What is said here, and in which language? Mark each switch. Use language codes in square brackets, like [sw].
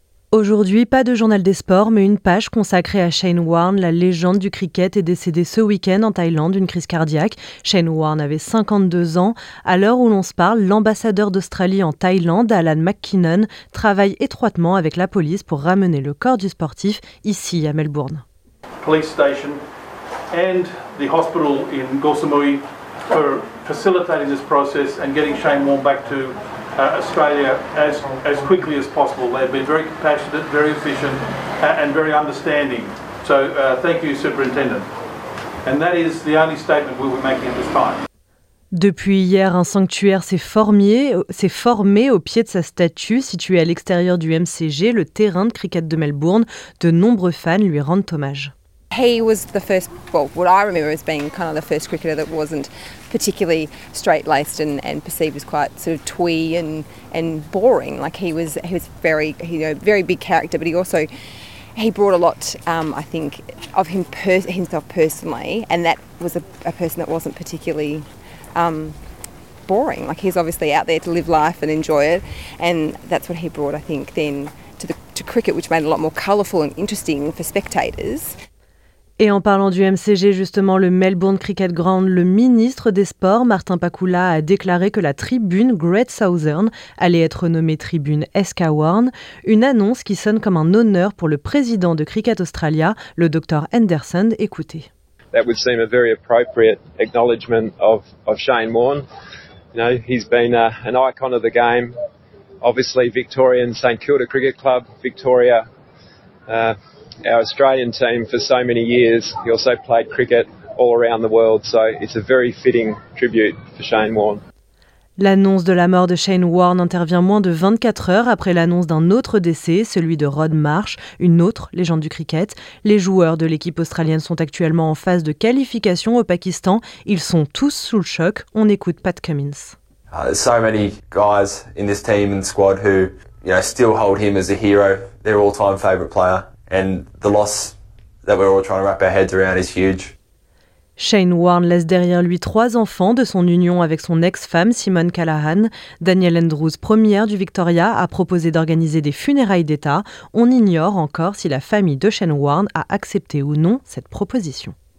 [fr] Aujourd'hui, pas de journal des sports, mais une page consacrée à Shane Warne, la légende du cricket, est décédée ce week-end en Thaïlande d'une crise cardiaque. Shane Warne avait 52 ans. À l'heure où l'on se parle, l'ambassadeur d'Australie en Thaïlande, Alan McKinnon, travaille étroitement avec la police pour ramener le corps du sportif ici à Melbourne. [en] Police station and the hospital in Gorsamui for facilitating this process and getting Shane Warne back to Australia as quickly as possible. They've been very compassionate, very efficient, and very understanding. So thank you, Superintendent. And that is the only statement we'll be making at this time. [fr] Depuis hier, un sanctuaire s'est formé au pied de sa statue située à l'extérieur du MCG, le terrain de cricket de Melbourne. De nombreux fans lui rendent hommage. [en] He was the first, well, what I remember as being kind of the first cricketer that wasn't particularly straight-laced and perceived as quite sort of twee and boring. Like he was very, you know, very big character, but he brought a lot, I think, of himself personally, and that was a person that wasn't particularly boring. Like he's obviously out there to live life and enjoy it, and that's what he brought, I think, then to cricket, which made it a lot more colourful and interesting for spectators. [fr] Et en parlant du MCG, justement, le Melbourne Cricket Ground, le ministre des Sports, Martin Pakula, a déclaré que la tribune Great Southern allait être nommée tribune Escawarn, une annonce qui sonne comme un honneur pour le président de Cricket Australia, le Dr Henderson. Écoutez. [en] That would seem a very appropriate acknowledgement of Shane Warne. You know, he's been an icon of the game. Obviously, Victorian St Kilda Cricket Club, Victoria, our Australian team for so many years. He also played cricket all around the world, so it's a very fitting tribute for Shane Warne. [fr] L'annonce de la mort de Shane Warne intervient moins de 24 heures après l'annonce d'un autre décès, celui de Rod Marsh, une autre légende du cricket. Les joueurs de l'équipe australienne sont actuellement en phase de qualification au Pakistan. Ils sont tous sous le choc. On écoute Pat Cummins. [en] There's so many guys in this team and squad who, you know, still hold him as a hero, their all-time favorite player, and the loss that we're all trying to wrap our heads around is huge. [fr] Shane Warne laisse derrière lui trois enfants de son union avec son ex-femme Simone Callaghan. Danielle Andrews, première du Victoria, a proposé d'organiser des funérailles d'État. On ignore encore si la famille de Shane Warne a accepté ou non cette proposition.